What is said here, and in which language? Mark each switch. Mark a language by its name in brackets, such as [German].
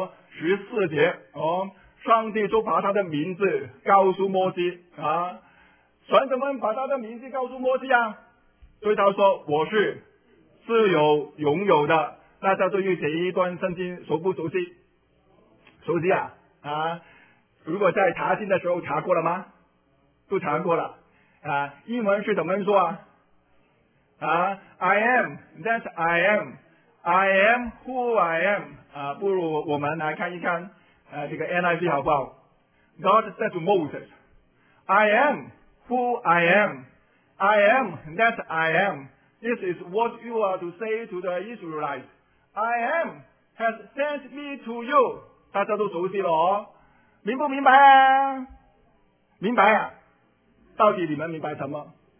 [Chinese] 十四节，上帝就把他的名字告诉摩西啊，神怎么把他的名字告诉摩西啊？对他说，我是自由拥有的。大家对于这一段圣经熟不熟悉？熟悉啊啊！如果在查经的时候查过了吗？都查过了啊。英文是怎么说啊？ [English] 啊 ，I am, that I am, I am who I am 啊。 [Chinese] 不如我们来看一看这个 NIV 好不好 ？ [English] God said to Moses, I am who I am. I am, that I am. This is what you are to say to the Israelites. I am has sent me to you. [Chinese] 大家都熟悉了哦，明不明白啊？明白啊？到底你们明白什么？